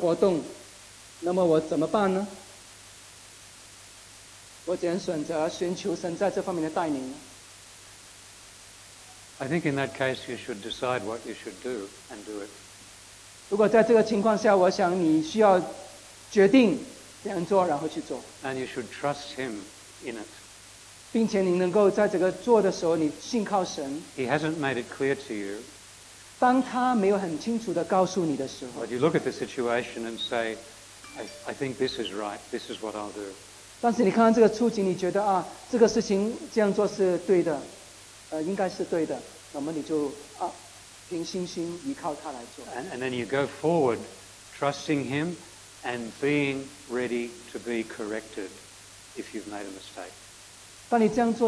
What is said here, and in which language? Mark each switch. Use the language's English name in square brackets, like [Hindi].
[Chinese] 有时候我需要寻求，我要做个决定，求主，我要是不是跟某一些朋友今天下午去吃饭，我要去参与某一个活动，那么我怎么办呢？我怎样选择寻求神在这方面的带领呢？ [English] I think in that case you should decide what you should do and do it. [Chinese] 如果在这个情况下，我想你需要决定怎样做，然后去做。 [English] And you should trust him in it. [Chinese] 并且你能够在这个做的时候，你信靠神。 [English] He hasn't made it clear to you. [Chinese] 当他没有很清楚地告诉你的时候。 [English] But you look at the situation and say, I think this is right, this is what I'll do. [Chinese] 但是你看看这个处境，你觉得啊，这个事情这样做是对的。应该是对的，我们你就凭信心依靠他来做。 [English] And then you go forward, trusting him and being ready to be corrected if you've made a mistake.